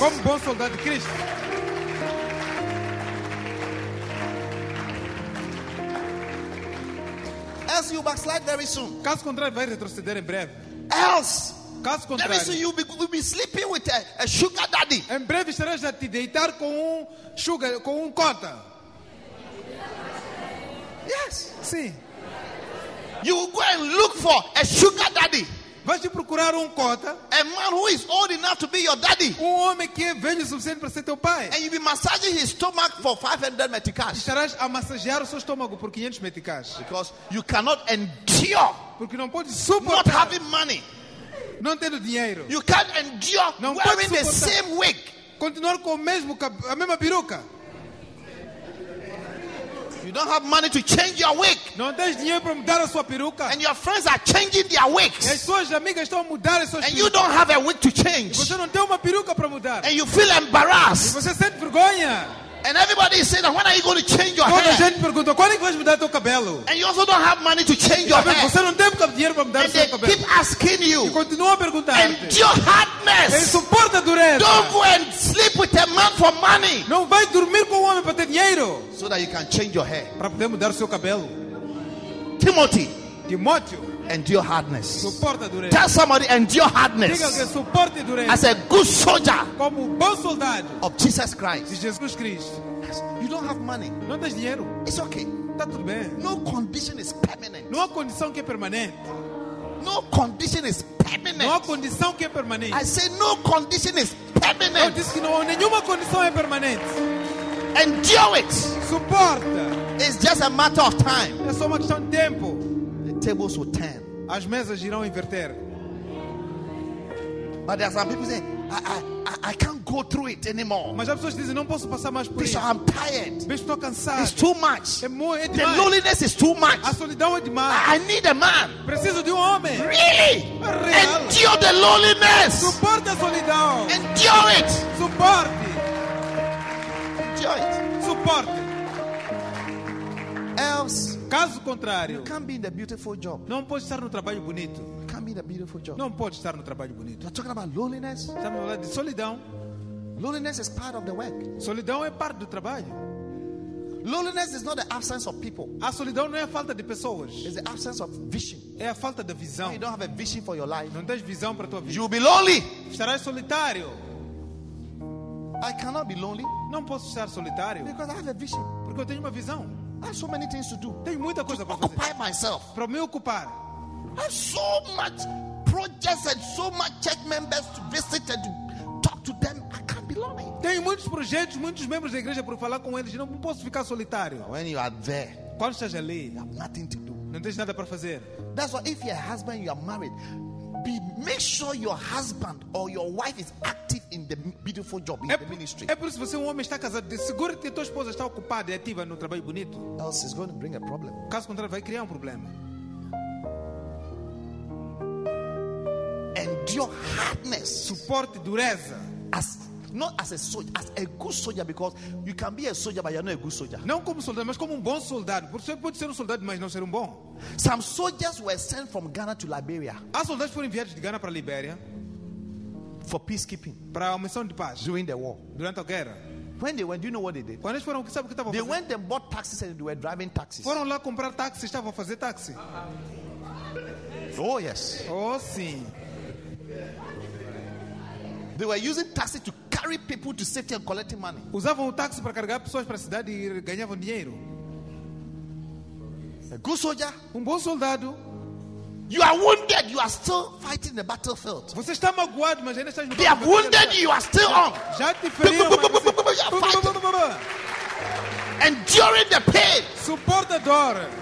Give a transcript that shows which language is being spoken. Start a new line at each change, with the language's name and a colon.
Portuguese: Como bom soldado de Cristo.
English: Else you backslide very soon.
Portuguese: Caso contrário, vai retroceder em breve.
English: Else,
Portuguese: caso contrário,
English: very soon you'll be sleeping with a sugar daddy.
Portuguese: Em breve estarás a te deitar com um sugar, com um cota.
English: Yes.
Portuguese: Sim.
English: You will go and look for a sugar daddy.
Portuguese: Vai te procurar um cota.
English: A man who is old enough to be your daddy.
Portuguese: Um homem que é velho o suficiente para ser teu pai.
English: And you'll be massaging his stomach for 500 meticais.
Portuguese: Estarás a massagear o seu estômago por 500 meticais.
English: Because you cannot endure.
Portuguese: Porque não pode suportar.
English: Not having money.
Portuguese: Não tendo dinheiro.
English: You can't endure
Portuguese: não
English: wearing the same wig.
Portuguese: Continuar com a mesma peruca.
English: You don't have money to change your wig.
Portuguese: Não tens dinheiro para mudar a sua peruca.
English: And your friends are changing their wigs.
Portuguese: E as suas amigas estão a mudar as suas
English: and you don't have a wig to change.
Portuguese: E você não tem uma peruca para mudar.
English: And you feel embarrassed.
Portuguese: E você sente vergonha.
English: And everybody is saying, when are you going to change your
Portuguese: toda
English: hair?
Portuguese: Toda gente pergunta, quando é que vais mudar teu cabelo?
English: And you also don't have money to change your hair.
Portuguese: Você não tem dinheiro para mudar
English: and
Portuguese: o seu cabelo.
English: Keep asking you.
Portuguese: E continua a perguntar.
English: Endure hardness.
Portuguese: Ele suporta a dureza.
English: Don't go and sleep with a man for money.
Portuguese: Não vai dormir com um homem para ter dinheiro.
English: So that you can change your hair.
Portuguese: Para poder mudar o seu cabelo.
English: Timothy.
Portuguese: Timóteo.
English: Endure hardness.
Portuguese: Suporta dureza.
English: Tell somebody endure hardness.
Portuguese: Diga que suporte dureza.
English: As a good soldier.
Portuguese: Como um bom soldado.
English: Of Jesus Christ.
Portuguese: De Jesus Cristo.
English: Yes. You don't have money.
Portuguese: Não tens dinheiro.
English: It's okay.
Portuguese: Está tudo bem.
English: No condition is permanent.
Portuguese: Não há condição que é permanente.
English: No condition is permanent.
Portuguese: Não há condição que é permanente.
English: I say no condition is permanent.
Portuguese: Eu disse que não, nenhuma condição é permanente.
English: Endure it.
Portuguese: Suporta.
English: It's just a matter of time.
Portuguese: É só uma questão de tempo.
English: Tables will turn.
Portuguese: As mesas irão inverter.
English: But there are some people saying, I can't go through it anymore.
Portuguese: Mas há pessoas que dizem, não posso passar mais por isso.
English: I'm tired.
Portuguese: Estou cansado.
English: It's too much. The loneliness is too much.
Portuguese: A solidão é demais.
English: I need a man.
Portuguese: Preciso de um homem.
English: Really?
Portuguese: Real.
English: Endure the loneliness.
Portuguese: Suporte a solidão.
English: Endure it.
Portuguese: Suporte.
English: Enjoy it.
Portuguese: Suporte.
English: Else,
Portuguese: caso contrário,
English: you can't be in a beautiful job.
Portuguese: Não pode estar no trabalho bonito.
English: Can't be a beautiful job.
Portuguese: Não pode estar no trabalho bonito.
English: We're talking about loneliness.
Portuguese: Estamos falando de solidão.
English: Loneliness is part of the work.
Portuguese: Solidão é parte do trabalho.
English: Loneliness is not the absence of people.
Portuguese: A solidão não é a falta de pessoas.
English: It's the absence of vision.
Portuguese: É a falta de visão.
English: You don't have a vision for your life.
Portuguese: Não tens visão para a tua vida.
English: You'll be lonely.
Portuguese: Estarás solitário.
English: I cannot be lonely.
Portuguese: Não posso estar solitário.
English: Because I have a vision.
Portuguese: Porque eu tenho uma visão.
English: I have so many things to do.
Portuguese: Tenho muita coisa para fazer.
English: To occupy myself.
Portuguese: Para me ocupar.
English: I have so much projects and so much church members to visit and to talk to them. I can't be lonely.
Portuguese: Tenho muitos projetos, muitos membros da igreja para falar com eles. Eu não posso ficar solitário.
English: When you are there,
Portuguese: quando estás ali,
English: you have nothing to do.
Portuguese: Não tens nada para fazer.
English: That's why if you're a husband, you are married, make sure your husband or your wife is active in the beautiful job in the ministry.
Portuguese: É por isso que você é um homem está casado, segure que a tua esposa está ocupada e ativa no trabalho bonito.
English: Else it's going to bring a problem.
Portuguese: Caso contrário vai criar um problema.
English: Endure hardness.
Portuguese: Suporte dureza.
English: As not as a soldier, as a good soldier, because you can be a soldier but you're not a good soldier.
Portuguese: Não como soldado, mas como um bom soldado. Você pode ser um soldado, mas não ser um bom.
English: Some soldiers were sent from Ghana to Liberia.
Portuguese: Há soldados foram enviados de Ghana para Liberia
English: for peacekeeping.
Portuguese: Para a missão de paz.
English: During the war.
Portuguese: Durante a guerra.
English: When they went, do you know what they did?
Portuguese: Quando eles foram, sabe o que estavam fazendo?
English: They went and bought taxis and they were driving taxis.
Portuguese: Foram lá comprar táxis, estavam a fazer táxi.
English: Oh yes.
Portuguese: Oh sim.
English: They were using taxi to carry people to safety and collecting money.
Portuguese: Usavam o táxi para carregar pessoas para a cidade e ganhavam dinheiro.
English: A good soldier,
Portuguese: um bom soldado.
English: You are wounded, you are still fighting the battlefield.
Portuguese: Você está magoado, mas ainda está no.
English: They are wounded, you are still on.
Portuguese: Já te feriram,
English: fighting. Enduring the pain.
Portuguese: Suporta a dor.